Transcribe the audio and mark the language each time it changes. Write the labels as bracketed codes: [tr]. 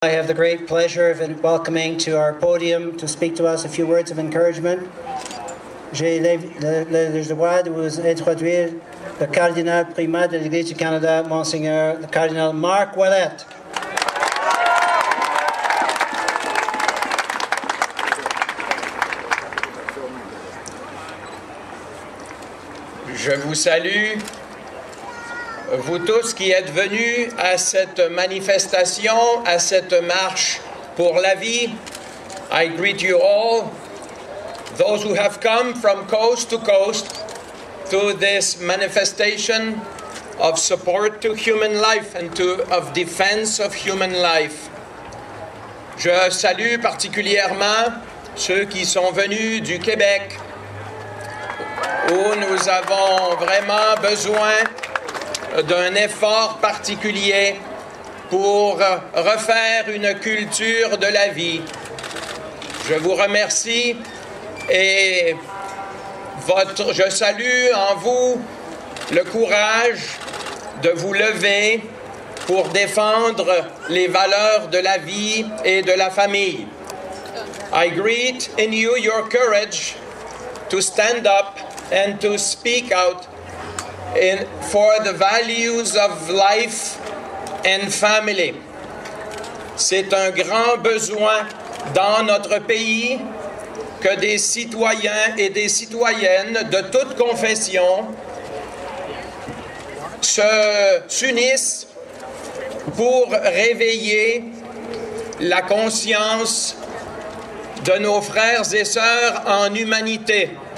[en] I have the great pleasure of welcoming to our podium to speak to us a few words of encouragement. [fr] J'ai le joie de vous introduire le cardinal primat de l'Église du Canada, Monseigneur le cardinal Marc Ouellet. Je vous salue, vous tous qui êtes venus à cette manifestation, à cette marche pour la vie. [en] I greet you all, those who have come from coast to coast to this manifestation of support to human life and of defense of human life. [fr] Je salue particulièrement ceux qui sont venus du Québec, où nous avons vraiment besoin d'un effort particulier pour refaire une culture de la vie. Je vous remercie et je salue en vous le courage de vous lever pour défendre les valeurs de la vie et de la famille. [en] I greet in you your courage to stand up and to speak out for the values of life and family. [fr] C'est un grand besoin dans notre pays que des citoyens et des citoyennes de toute confession s'unissent pour réveiller la conscience de nos frères et sœurs en humanité.